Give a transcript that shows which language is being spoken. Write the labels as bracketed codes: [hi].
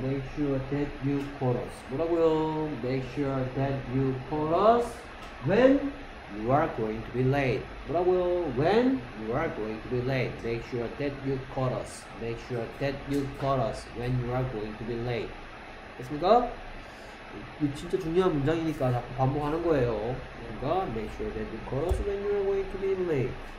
[en] Make sure that you call us. [ko] 뭐라고요? [en] Make sure that you call us when you are going to be late. [ko] 뭐라고요? [en] When you are going to be late. Make sure that you call us. Make sure that you call us when you are going to be late. [ko] 됐습니까? 이 진짜 중요한 문장이니까 자꾸 반복하는 거예요. [en] 그러니까 make sure that you call us when you are going to be late.